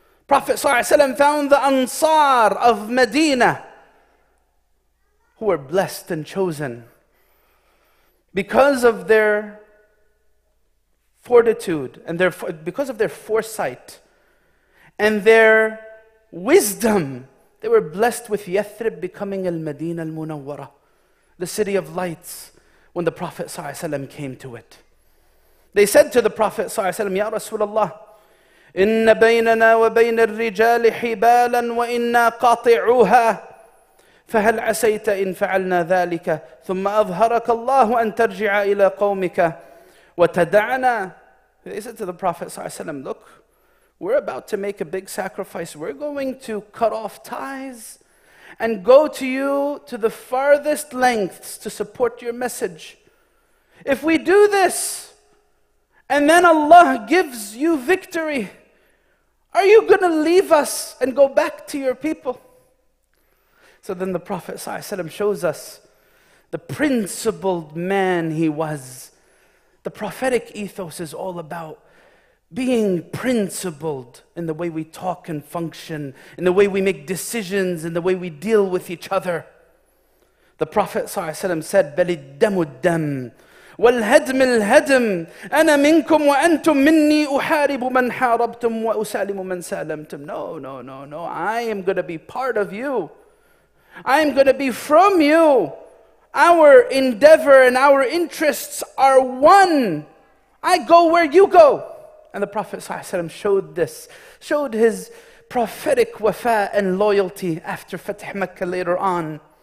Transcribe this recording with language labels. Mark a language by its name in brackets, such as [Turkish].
[English] Prophet ﷺ found the Ansar of Medina who were blessed and chosen because of their fortitude and because of their foresight and their wisdom. They were blessed with Yathrib becoming al-Madina al-Munawwara, the city of lights, when the Prophet ﷺ came to it. They said to the Prophet ﷺ, Ya Rasulullah, [Arabic] إِنَّ بَيْنَنَا وَبَيْنَ الرِّجَالِ حِبَالًا وَإِنَّا قَاطِعُوهَا فَهَلْ عَسَيْتَ إِنْ فَعَلْنَا ذَلِكَ ثُمَّ أَظْهَرَكَ اللَّهُ أَنْ تَرْجِعَ إِلَىٰ قَوْمِكَ وَتَدَعَنَا. [English] They said to the Prophet ﷺ, look, we're about to make a big sacrifice. We're going to cut off ties and go to you to the farthest lengths to support your message. If we do this, and then Allah gives you victory, are you going to leave us and go back to your people? So then the Prophet ﷺ shows us the principled man he was. The prophetic ethos is all about being principled in the way we talk and function, in the way we make decisions, in the way we deal with each other. The Prophet ﷺ said, [Arabic] بَلِ الدَّمُ الدَّمُ وَالْهَدْمِ الْهَدْمِ أَنَا مِنْكُمْ وَأَنْتُمْ مِنِّي أُحَارِبُ مَنْ حَارَبْتُمْ وَأُسَالِمُ مَنْ سَالَمْتُمْ. [English] No, no, no, no. I am going to be part of you. I am going to be from you. Our endeavor and our interests are one. I go where you go. And the Prophet ﷺ showed this, showed his prophetic wafa and loyalty after Fatih Mecca later on.